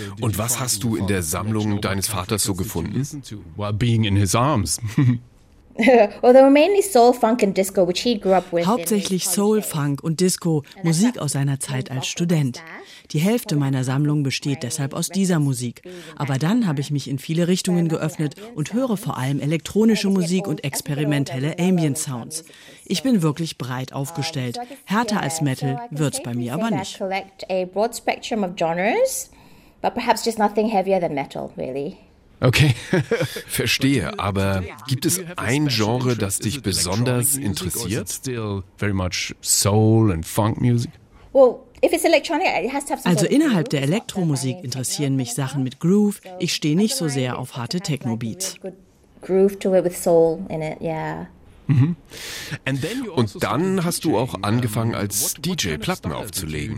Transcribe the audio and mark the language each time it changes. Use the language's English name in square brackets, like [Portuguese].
[German] Und was hast du in der Sammlung deines Vaters so gefunden? [English] While being in his arms. Well, they were mainly soul, funk and disco, which he grew up with. [German] Hauptsächlich Soul, Funk und Disco, Musik aus seiner Zeit als Student. Die Hälfte meiner Sammlung besteht deshalb aus dieser Musik. Aber dann habe ich mich in viele Richtungen geöffnet und höre vor allem elektronische Musik und experimentelle Ambient Sounds. Ich bin wirklich breit aufgestellt. Härter als Metal wird's bei mir aber nicht. [English] Collect a broad spectrum of genres, but perhaps just nothing heavier than metal, really. Okay, [German] verstehe, aber gibt es ein Genre, das dich besonders interessiert? [English] Still very much soul and funk music? Well, if it's electronic, it has to have some. [German] Also innerhalb der Elektromusik interessieren mich Sachen mit Groove. Ich stehe nicht so sehr auf harte Techno-Beats. [English] Groove to it with soul in it, yeah. Mhm. [German] Und dann hast du auch angefangen, als DJ Platten aufzulegen.